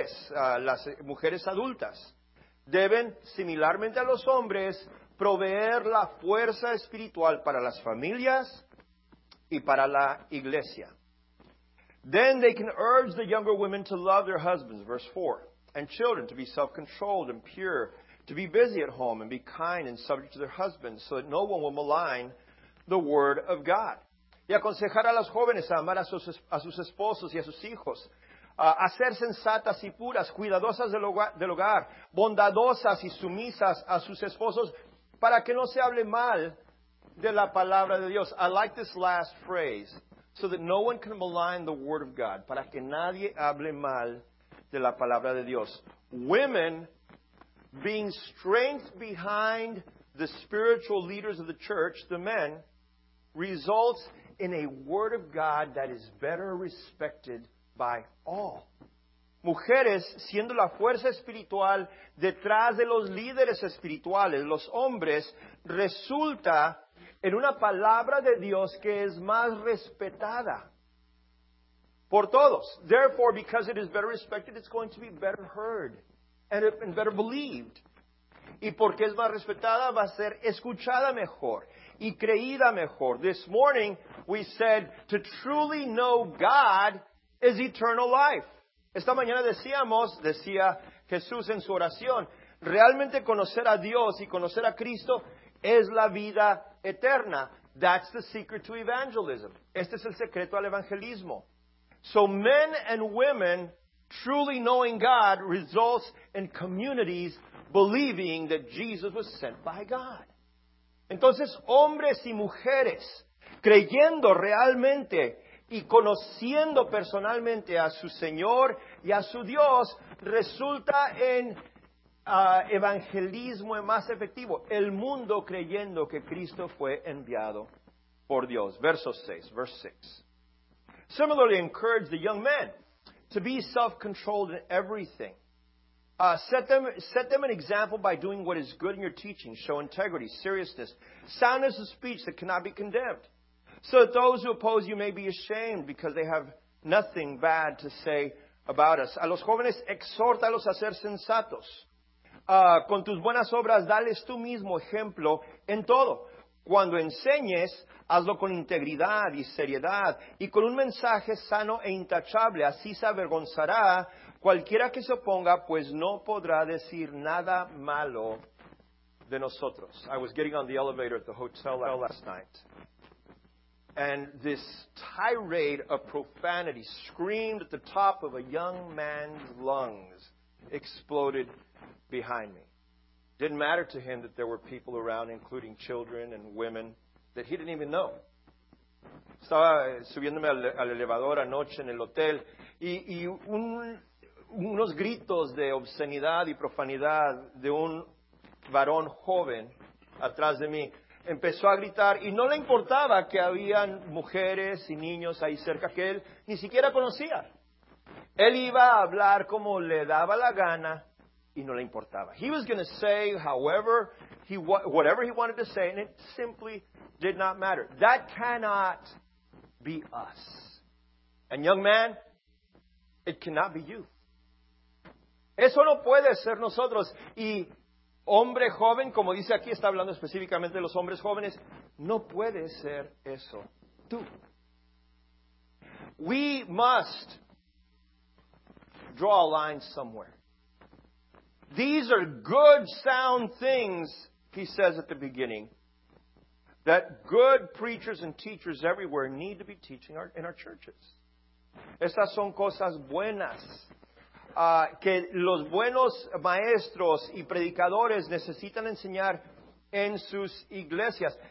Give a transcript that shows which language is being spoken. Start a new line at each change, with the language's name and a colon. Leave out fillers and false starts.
Spanish: Las mujeres adultas deben, similarmente a los hombres, proveer la fuerza espiritual para las familias y para la iglesia.
English: Then they can urge the younger women to love their husbands, verse 4, and children, to be self-controlled and pure, to be busy at home and be kind and subject to their husbands, so that no one will malign the word of God.
Spanish: Y aconsejar a las jóvenes a amar a sus esposos y a sus hijos, a ser sensatas y puras, cuidadosas del hogar, bondadosas y sumisas a sus esposos, para que no se hable mal de la palabra de Dios.
English: I like this last phrase, so that no one can malign the word of God,
Spanish: para que nadie hable mal de la palabra de Dios.
English: Women being strength behind the spiritual leaders of the church, the men, results in a word of God that is better respected by all.
Spanish: Mujeres siendo la fuerza espiritual detrás de los líderes espirituales, los hombres, resulta en una palabra de Dios que es más respetada por todos.
English: Therefore, because it is better respected, it's going to be better heard and better believed.
Spanish: Y porque es más respetada, va a ser escuchada mejor y creída mejor.
English: This morning, we said, to truly know God is eternal life.
Spanish: Esta mañana decíamos, decía Jesús en su oración, realmente conocer a Dios y conocer a Cristo es la vida eterna.
English: That's the secret to evangelism.
Spanish: Este es el secreto al evangelismo.
English: So men and women, truly knowing God, results in communities believing that Jesus was sent by God.
Spanish: Entonces, hombres y mujeres, creyendo realmente y conociendo personalmente a su Señor y a su Dios, resulta en evangelismo más efectivo. El mundo creyendo que Cristo fue enviado por Dios.
English: Verse 6. Similarly, encourage the young men to be self-controlled in everything. Set them an example by doing what is good in your teaching. Show integrity, seriousness, soundness of speech that cannot be condemned. So that those who oppose you may be ashamed because they have nothing bad to say about us.
Spanish: A los jóvenes, exhórtalos a ser sensatos. Con tus buenas obras, dales tú mismo ejemplo en todo. Cuando enseñes, hazlo con integridad y seriedad y con un mensaje sano e intachable. Así se avergonzará cualquiera que se oponga, pues no podrá decir nada malo de nosotros.
English: I was getting on the elevator at the hotel last night. And this tirade of profanity screamed at the top of a young man's lungs exploded behind me. Didn't matter to him that there were people around, including children and women, that he didn't even know.
Spanish: Estaba subiéndome al elevador anoche en el hotel y unos gritos de obscenidad y profanidad de un varón joven atrás de mí. Empezó a gritar y no le importaba que habían mujeres y niños ahí cerca que él ni siquiera conocía. Él iba a hablar como le daba la gana y no le importaba.
English: He was going to say whatever he wanted to say, and it simply did not matter. That cannot be us. And young man, it cannot be you.
Spanish: Eso no puede ser nosotros. Y hombre joven, como dice aquí, está hablando específicamente de los hombres jóvenes, no puede ser eso tú.
English: We must draw a line somewhere. These are good, sound things, he says at the beginning, that good preachers and teachers everywhere need to be teaching in our churches.
Spanish: Estas son cosas buenas. Que los buenos maestros y predicadores necesitan enseñar en sus iglesias.